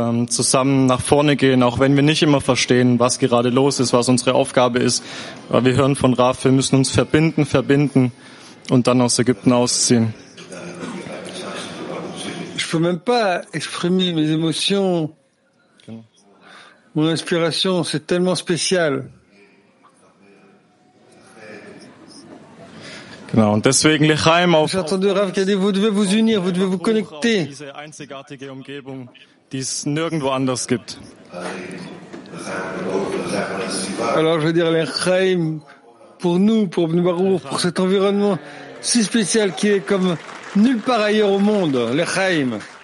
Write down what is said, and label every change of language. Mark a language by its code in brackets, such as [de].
[de] Zusammen nach vorne gehen, auch wenn wir nicht immer verstehen, was gerade los ist, was unsere Aufgabe ist. Weil wir hören von Raf, wir müssen uns verbinden und dann aus Ägypten ausziehen. [fr] Je peux même pas exprimer mes émotions. Mon inspiration, c'est tellement spécial. [de] Genau, und deswegen, Lechaim, auf. [fr] J'ai entendu Rav qui a dit, vous devez vous unir, vous devez vous connecter. [de] Diese einzigartige Umgebung, die es nirgendwo anders gibt. [fr] Alors, je veux dire, Lechaim, pour nous, pour Bnei Baruch, pour cet environnement si spécial qui est comme nulle part ailleurs au monde, Lechaim.